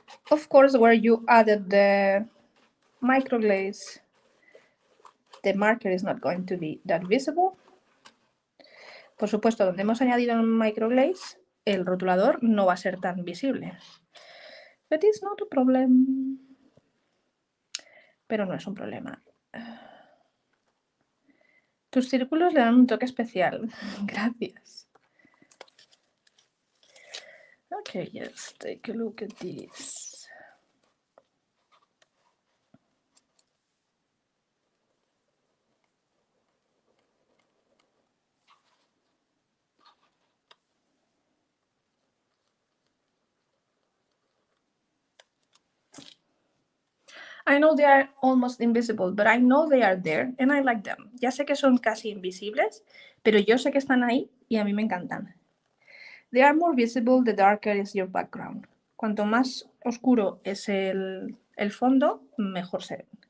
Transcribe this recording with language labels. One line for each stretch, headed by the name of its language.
English: Of course, where you added the microglaze, the marker is not going to be that visible.
Spanish: Por supuesto, donde hemos añadido el microglaze, el rotulador no va a ser tan visible.
English: But it's not a problem.
Spanish: Pero no es un problema. Tus círculos le dan un toque especial. Gracias.
English: Okay, let's take a look at this. I know they are almost invisible, but I know they are there and I like them.
Spanish: Ya sé que son casi invisibles, pero yo sé que están ahí y a mí me encantan.
English: They are more visible the darker is your background.
Spanish: Cuanto más oscuro es el fondo, mejor se ven.